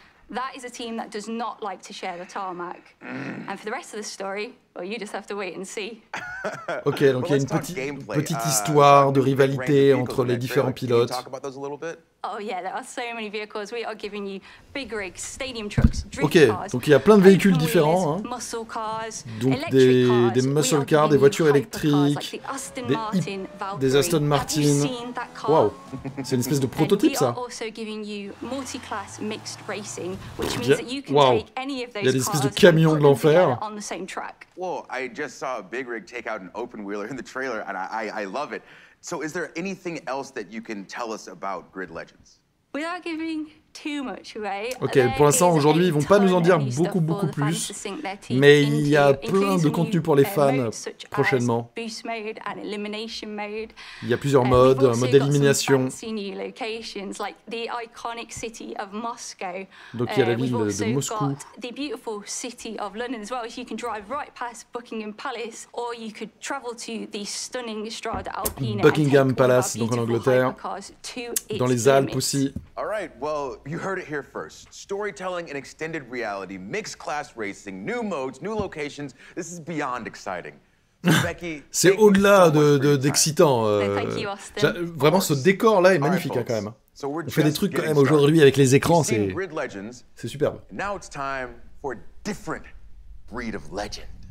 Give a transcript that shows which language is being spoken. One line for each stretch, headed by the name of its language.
English: That is a team that does not like to share the tarmac. And for the rest of the story, well, you just have to wait and see.
French: OK, donc il y a une petite histoire de rivalité entre les différents pilotes.
English: Oh yeah, there are so many vehicles. We are giving you big rigs, stadium trucks, drift
French: OK, donc il y a plein de véhicules différents, hein.
English: Muscle cars,
French: donc des muscle cars, des voitures électriques, des Aston Martin. Waouh, c'est une espèce de prototype, ça.
English: We are also giving you multi-class mixed racing, which means that you can take any of those.
French: Il y a des espèces de camions de l'enfer.
English: Well, I just saw a big rig take out an open wheeler in the trailer, and I love it. So is there anything else that you can tell us about Grid Legends? Without giving too much away.
French: OK, pour l'instant aujourd'hui, ils vont pas nous en dire beaucoup plus. Mais il y a plein de contenu pour les fans prochainement.
English: Boost mode and elimination mode.
French: Il y a plusieurs modes, mode d'élimination.
English: New locations like the iconic city of Moscow.
French: Donc il y a la ville de Moscou.
English: The beautiful city of London as well. You can drive right past Buckingham Palace or you could travel to the stunning Strada Alpina.
French: Buckingham Palace donc en Angleterre. Dans les Alpes aussi.
English: All right. Well, you heard it here first. Storytelling in extended reality, mixed class racing, new modes, new locations. This is beyond exciting. Becky,
French: c'est au-delà d'excitant.
English: Thank you, Austin.
French: Vraiment, ce décor là est magnifique, right, hein, quand même.
English: So we're
French: on fait des trucs quand même aujourd'hui avec les écrans, c'est superbe.
English: Now it's time for a different breed of legend.